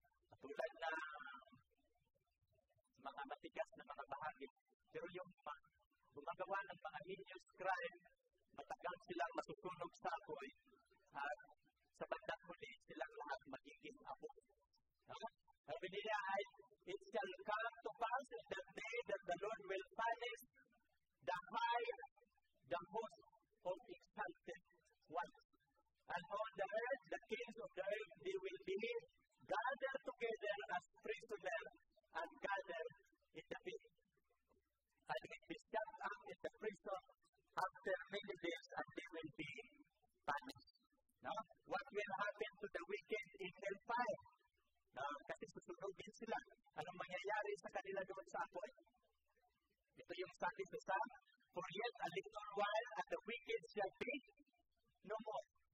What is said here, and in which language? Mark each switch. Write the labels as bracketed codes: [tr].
[tl] Katulad na mga matigas na mga bahagi. Pero yung gumagawa ng mga heinous crime, matagal silang masusunog sa apoy, at sa bandang huli silang lahat magiging apo. Sabi niya ay, [en] it shall come to pass in the day that the Lord will punish the high, the host of exalted ones. And on the earth, the kings of the earth, they will be gathered together as prisoners and gathered in the pit. And he will stand up in the prison after many days and they will be punished. Now, what will happen to the wicked in hellfire? [tl] No, kasi susunugin sila. Anong mangyayari sa kanila doon sa apoy? Ito yung sabi sa Psalm. [en] For yet a little while and the wicked shall be no more.